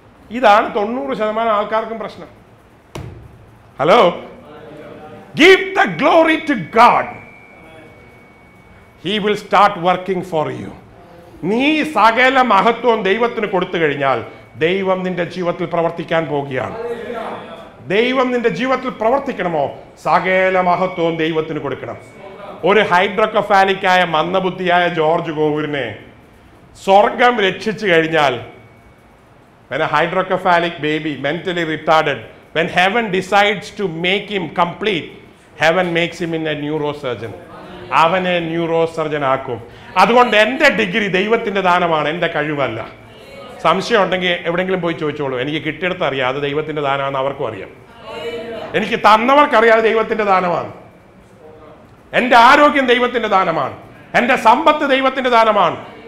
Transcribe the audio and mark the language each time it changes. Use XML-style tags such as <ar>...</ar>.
<ml>ഇതാണ് 90% ആൾക്കാർക്കും പ്രശ്നം.</ml> <en>Hello, give the glory to God, he will start working for you.</en> <ml>നീ സകല മഹത്വവും ദൈവത്തിന് കൊടുത്തു കഴിഞ്ഞാൽ ദൈവം നിന്റെ ജീവിതത്തിൽ പ്രവർത്തിക്കാൻ പോവുകയാണ്. ദൈവം നിന്റെ ജീവിതത്തിൽ പ്രവർത്തിക്കണമോ, സകല മഹത്വവും ദൈവത്തിന് കൊടുക്കണം. ഒരു ഹൈഡ്രോകഫാലിക്കായ മന്ദബുദ്ധിയായ ജോർജ് ഗോവൂരിനെ സ്വർഗം രക്ഷിച്ചു കഴിഞ്ഞാൽ,</ml> <en>when a hydrocephalic baby mentally retarded, when heaven decides to make him complete, heaven makes him in a neurosurgeon.</en> <ml>അവനെ ന്യൂറോസർജൻ ആക്കും. അതുകൊണ്ട് എന്റെ ഡിഗ്രി ദൈവത്തിന്റെ ദാനമാണ്, എന്റെ കഴിവല്ല. സംശയം ഉണ്ടെങ്കിൽ എവിടെങ്കിലും പോയി ചോദിച്ചോളൂ. എനിക്ക് കിട്ടിയെടുത്ത് അറിയാം അത് ദൈവത്തിന്റെ ദാനമാണെന്ന്. അവർക്കും അറിയാം, എനിക്ക് തന്നവർക്കറിയാം അത് ദൈവത്തിന്റെ ദാനമാണ്. എന്റെ ആരോഗ്യം ദൈവത്തിന്റെ ദാനമാണ്. എന്റെ സമ്പത്ത് ദൈവത്തിന്റെ ദാനമാണ്.</ml>